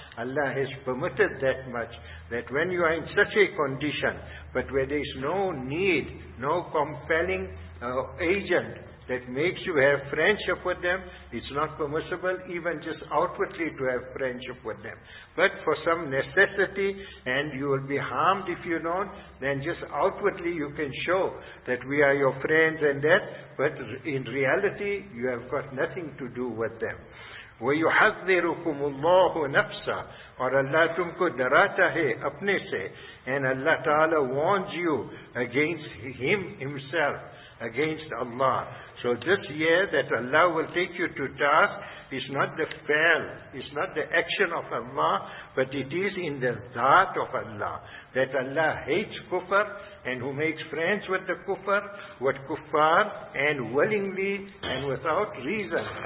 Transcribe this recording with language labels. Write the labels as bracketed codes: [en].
[en] Allah has permitted that much, that when you are in such a condition, but where there is no need, no compelling agent that makes you have friendship with them, it's not permissible even just outwardly to have friendship with them. But for some necessity, and you will be harmed if you don't, then just outwardly you can show that we are your friends and that, but in reality you have got nothing to do with them. [ar] وَيُحَذِّرُكُمُ اللَّهُ نَفْسًا [ur] اور اللہ تم کو ڈراتا ہے اپنے سے [en] and Allah Ta'ala warns you against him himself against Allah. So this year that Allah will take you to task is not the fail, is not the action of Allah, but it is in the dhat of Allah. That Allah hates kufr and who makes friends with the kufr, with kuffar, and willingly and without reason.